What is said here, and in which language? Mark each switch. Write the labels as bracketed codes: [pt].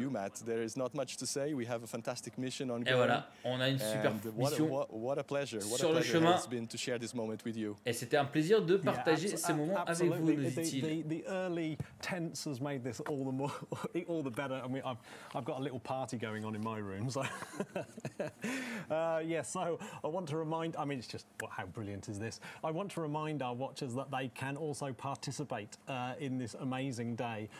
[en] You, there is not much to say. We have a fantastic mission on. [fr] Et voilà, on a une super mission sur le chemin. [en] Been to share this moment with you. [fr] Et c'était un plaisir de partager ces moments avec vous, nous dit-il. [en] The early tense has made this all the more all the better. I mean, I've got a little party going on in my room, so. So I want to remind, I mean, it's just how brilliant is this? I want to remind our watchers that they can also participate in this amazing day.